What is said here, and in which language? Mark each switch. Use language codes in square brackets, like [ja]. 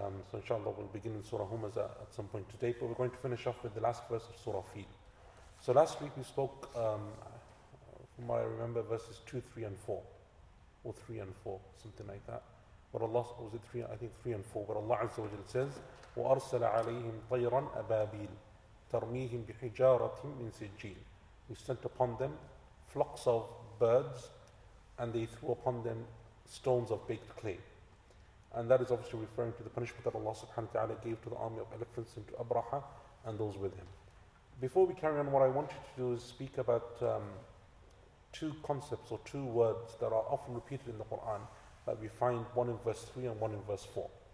[en] So inshallah we'll begin with Surah Humaza at some point today, but we're going to finish off with the last verse of Surah Fil. So last week we spoke, from what I remember, verses 2, 3, and 4. Or 3 and 4, something like that. But Allah, was it 3? I think 3 and 4. But Allah Azza wa Jalla says, [ar] وَأَرْسَلَ عَلَيْهِمْ طَيْرًا أَبَابِيلَ تَرْمِيهِمْ بِحِجَارَةٍ مِّن سِجِّيلٍ. [en] We sent upon them flocks of birds, and they threw upon them stones of baked clay. And that is obviously referring to the punishment that Allah subhanahu wa ta'ala gave to the army of elephants and to Abraha and those with him. Before we carry on, what I want you to do is speak about two concepts or two words that are often repeated in the Quran, that we find one in verse 3 and one in verse 4.